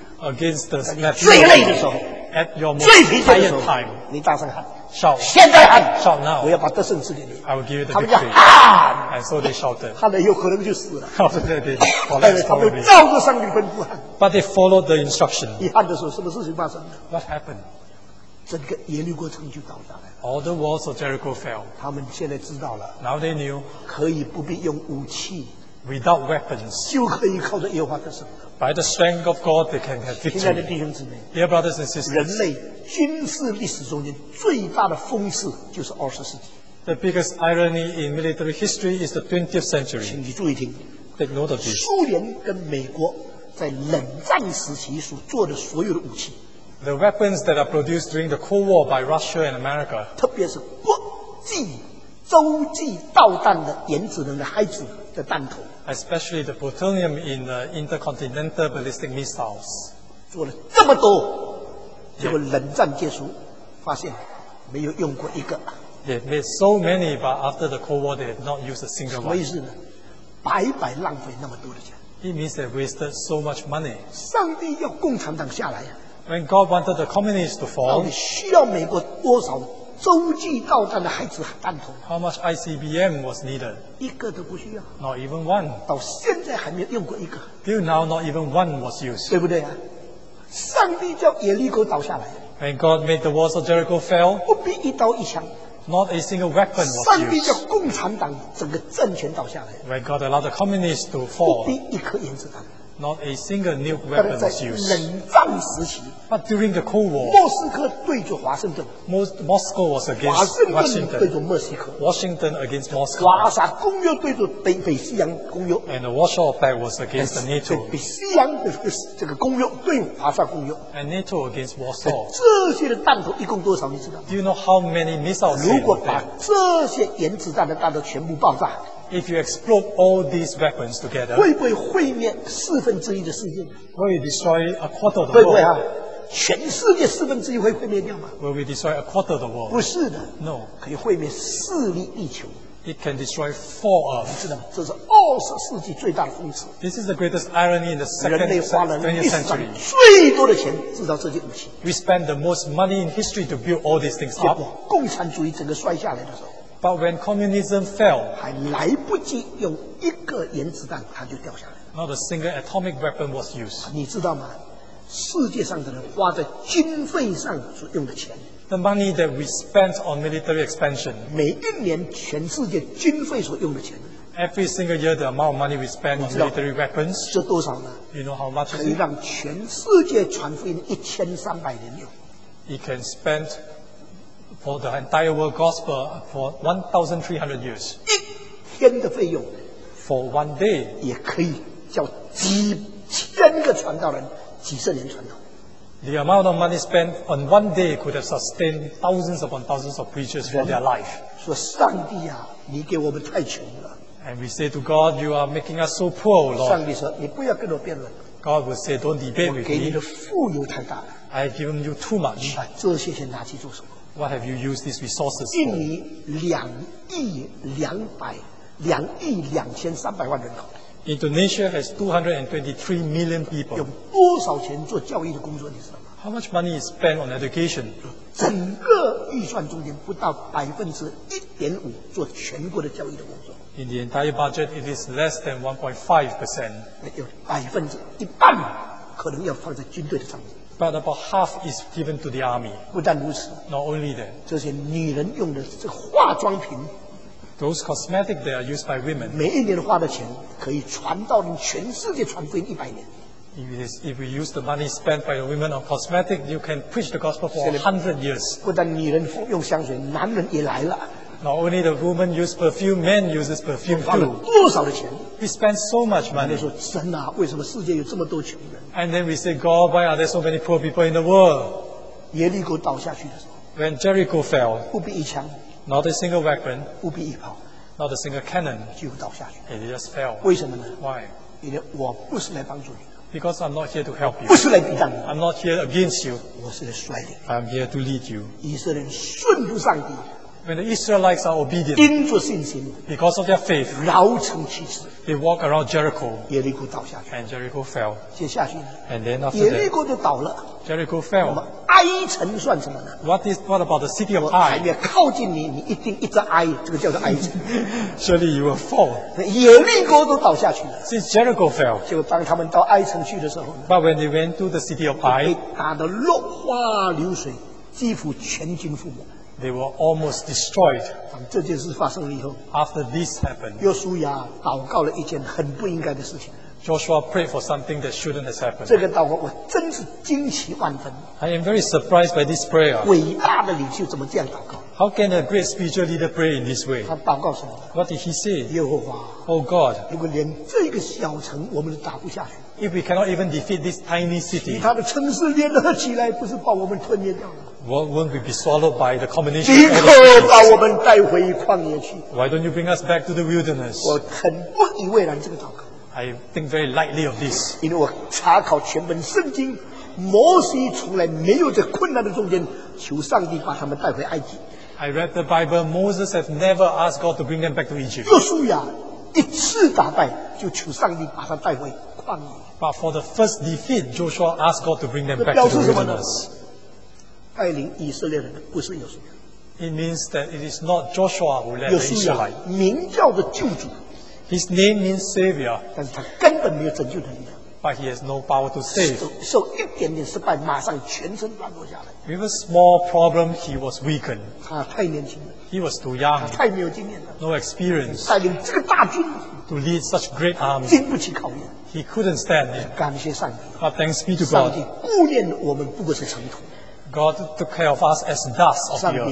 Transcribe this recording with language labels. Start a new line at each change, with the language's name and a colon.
English: Against the natural
Chinese: law. 最累的时候。
English: At your most tired time.
Chinese: 最疲倦的时候。你大声喊。
English: Shout.
Chinese: 现在喊。
English: Shout now.
Chinese: 我要把得胜赐给你。
English: I will give you the victory.
Chinese: 他们喊。
English: And so they shouted.
Chinese: 喊了有可能就死了。
English: Oh, that they collapsed probably.
Chinese: 他们照着上帝吩咐喊。
English: But they followed the instruction.
Chinese: 一喊的时候什么事情发生了。
English: What happened?
Chinese: 整个耶利哥城就倒下来了。
English: All the walls of Jericho fell.
Chinese: 他们现在知道了。
English: Now they knew.
Chinese: 可以不必用武器。
English: Without weapons.
Chinese: 就可以靠着耶和华的神。
English: By the strength of God, they can have victory.
Chinese: 亲爱的弟兄姊妹。
English: Dear brothers and sisters.
Chinese: 人类军事历史中间最大的讽刺就是二十世纪。
English: The biggest irony in military history is the 20th century.
Chinese: 请你注意听。
English: Take note of this.
Chinese: 苏联跟美国在冷战时期所做的所有的武器。
English: The weapons that are produced during the Cold War by Russia and America,
Chinese: 特别是国际洲际导弹的原子能的海子的弹头
English: especially the plutonium in the intercontinental ballistic missiles,
Chinese: 做了这么多，结果冷战结束，发现没有用过一个。
English: They made so many, but after the Cold War, they have not used a single one.
Chinese: 所以是呢，白白浪费那么多的钱。
English: It means they wasted so much money.
Chinese: 上帝要共产党下来呀。
English: When God wanted the communists to fall,
Chinese: 到底需要美国多少洲际导弹的孩子还弹头。
English: How much ICBM was needed?
Chinese: 一个都不需要。
English: Not even one.
Chinese: 到现在还没有用过一个。
English: Till now, not even one was used.
Chinese: 对不对啊？上帝叫耶利哥倒下来。
English: When God made the walls of Jericho fell,
Chinese: 不必一刀一枪。
English: Not a single weapon was used.
Chinese: 上帝叫共产党整个政权倒下来。
English: When God allowed the communists to fall,
Chinese: 不必一颗原子弹。
English: Not a single nuke weapon was used.
Chinese: 冷战时期
English: But during the Cold War,
Chinese: 莫斯科对着华盛顿
English: Moscow was against Washington.
Chinese: 对着墨西哥
English: Washington against Moscow.
Chinese: 华沙公约对着北西洋公约
English: And the Warsaw Pact was against NATO.
Chinese: 北西洋的这个公约对华沙公约
English: And NATO against Warsaw.
Chinese: 这些的弹头一共多少你知道
English: Do you know how many missiles?
Chinese: 如果把这些原子弹的弹头全部爆炸
English: If you explode all these weapons together,
Chinese: 会不会毁灭四分之一的世界？
English: Will it destroy a quarter of the
Chinese: 会不会啊？全世界四分之一会毁灭掉吗？
English: Will it destroy a quarter of the world?
Chinese: 不是的。
English: No.
Chinese: 可以毁灭四粒地球。
English: It can destroy four of.
Chinese: 你知道吗？这是二十世纪最大的讽刺。
English: This is the greatest irony in the second century.
Chinese: 人类花了历史上最多的钱制造这些武器。
English: We spend the most money in history to build all these things up.
Chinese: 结果共产主义整个摔下来的时候。
English: But when communism fell,
Chinese: 还来不及用一个原子弹，它就掉下来。
English: Not a single atomic weapon was used.
Chinese: 你知道吗？世界上的人花在军费上所用的钱。
English: The money that we spent on military expansion.
Chinese: 每一年全世界军费所用的钱。
English: Every single year, the amount of money we spend on military weapons.
Chinese: 是多少呢
English: ？You know how much?
Chinese: 可以让全世界传福音1300年用。
English: It can spend. For the entire world gospel for 1,300 years.
Chinese: 一天的费用
English: For one day.
Chinese: 也可以叫几千个传道人几十年传道
English: The amount of money spent on one day could have sustained thousands upon thousands of preachers for their life.
Chinese: 说上帝啊你给我们太穷了
English: And we say to God, you are making us so poor, Lord.
Chinese: 上帝说你不要跟我辩论
English: God will say, don't debate with me.
Chinese: 我给你的富有太大了
English: I have given you too much.
Chinese: 你把这些钱拿去做什么
English: What have you used these resources for?
Chinese: 印尼2亿2300万人口。
English: Indonesia has 223 million people.
Chinese: 有多少钱做教育的工作？你知道吗
English: ？How much money is spent on education?
Chinese: 整个预算中间不到1.5%做全国的教育的工作。
English: In the entire budget, it is less than 1.5%.
Chinese: 有1%可能要放在军队的上面。
English: But about half is given to the army.
Chinese: 不但如此
English: Not only that.
Chinese: 这些女人用的这化妆品
English: Those cosmetics that are used by women.
Chinese: 每一年花的钱可以传到全世界传福音100年。
English: If we use the money spent by the women on cosmetics, you can preach the gospel for 100 years.
Chinese: 不但女人用香水，男人也来了。
English: Not only the woman use perfume, men uses perfume too.
Chinese: 花了多少的钱？
English: We spend so much money.
Chinese: 说神啊，为什么世界有这么多穷人
English: ？And then we say, God, why are there so many poor people in the world?
Chinese: 耶利哥倒下去的时候
English: ，When Jericho fell,
Chinese: 不必一枪
English: ，Not a single weapon,
Chinese: 不必一炮
English: ，Not a single cannon,
Chinese: 就倒下去
English: ，It just fell.
Chinese: 为什么呢
English: ？Why?
Chinese: 因为我不是来帮助你
English: ，Because I'm not here to help you.
Chinese: 不是来抵挡你
English: ，I'm not here against you.
Chinese: 我是来率领
English: ，I'm here to lead you.
Chinese: 以色列人顺服上帝。
English: When the Israelites are obedient,
Chinese: 因着信心
English: because of their faith,
Chinese: 饶城其实
English: they walk around Jericho,
Chinese: 耶利哥倒下去
English: and Jericho fell.
Chinese: 接下去
English: and then after
Chinese: 耶利哥就倒了
English: Jericho fell.
Chinese: 那么哀城算什么呢
English: What about the city of Ai?
Chinese: 我还没靠近你，你一定一直哀，这个叫做哀城
English: Surely you will fall.
Chinese: 耶利哥都倒下去了
English: since Jericho fell.
Chinese: 就当他们到哀城去的时候
English: but when they went to the city of Ai,
Chinese: 被打得落花流水，几乎全军覆没。
English: They were almost destroyed.
Chinese: 这件事发生了以后
English: after this happened,
Chinese: 约书亚祷告了一件很不应该的事情。
English: Joshua prayed for something that shouldn't have happened.
Chinese: 这个祷告我真是惊奇万分。
English: I am very surprised by this prayer.
Chinese: 伟大的领袖怎么这样祷告
English: ？How can a great spiritual leader pray in this way?
Chinese: 他祷告什么
English: ？What did he say?
Chinese: 耶和华
English: ，Oh God.
Chinese: 如果连这个小城我们都打不下去。
English: If we cannot even defeat this tiny city,
Chinese: 其他的城市联合起来，不是把我们吞灭掉吗
English: ？What won't we be swallowed by the combination?
Chinese: 立刻把我们带回旷野去。
English: Why don't you bring us back to the wilderness?
Chinese: 我很不以为然这个祷告。
English: I think very lightly of this.
Chinese: 因为我查考全本圣经，摩西从来没有在困难的中间求上帝把他们带回埃及。
English: I read the Bible. Moses has never asked God to bring them back to Egypt.
Chinese: 约书亚一次打败就求上帝把他带回旷野。
English: But for the first defeat, Joshua asked God to bring them back to the wilderness.
Chinese: 带领以色列人的不是约书亚。
English: It means that it is not Joshua who led Israel.
Chinese: 名叫的救主。
English: His name means Savior.
Chinese: 但是他根本没有拯救能力。
English: But he has no power to save.
Chinese: 受一点点失败，马上全身软弱下来。
English: With a small problem, he was weakened.
Chinese: 他太年轻了。
English: He was too young.
Chinese: 太没有经验了。
English: No experience.
Chinese: 带领这个大军。
English: To lead such great army.
Chinese: 经不起考验。
English: He couldn't stand it.
Chinese: 感谢上帝。
English: But thanks be to God.
Chinese: 上帝顾念我们不过是尘土。
English: God took care of us as dust of the earth.